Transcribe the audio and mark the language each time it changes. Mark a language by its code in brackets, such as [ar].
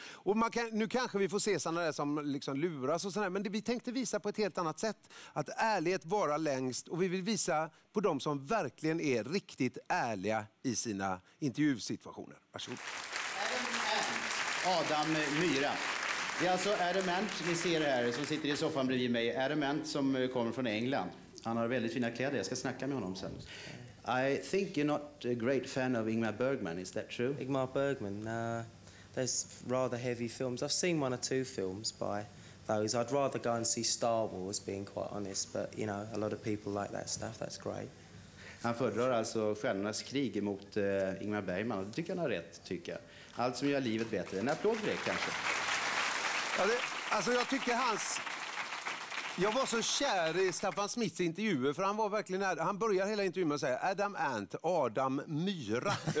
[sv] Och man kan, nu kanske vi får se sådana där som liksom luras och sådär, men det, vi tänkte visa på ett helt annat sätt att ärlighet varar längst, och vi vill visa på de som verkligen är riktigt ärliga i sina intervjusituationer. Varsågod. Adam Myra. Det är alltså Adam Ant, ni ser här, som sitter i soffan bredvid mig. Adam Ant som kommer från England. Han har väldigt fina kläder, jag ska snacka med honom sen. [en] I think you're not a great fan of Ingmar Bergman, is that true? Ingmar Bergman, there's rather heavy films. I've seen one or two films by those. I'd rather go and see Star Wars, being quite honest. But, you know, a lot of people like that stuff, that's great. [sv] Han föredrar alltså Stjärnornas krig mot Ingmar Bergman. Det tycker han har rätt, tycker jag. Allt som gör livet bättre. En applåd för det, kanske. Alltså jag tycker hans... Jag var så kär i Staffan Smiths intervjuer, för han var verkligen... Han börjar hela intervjun med att säga Adam Ant, Adam Myra.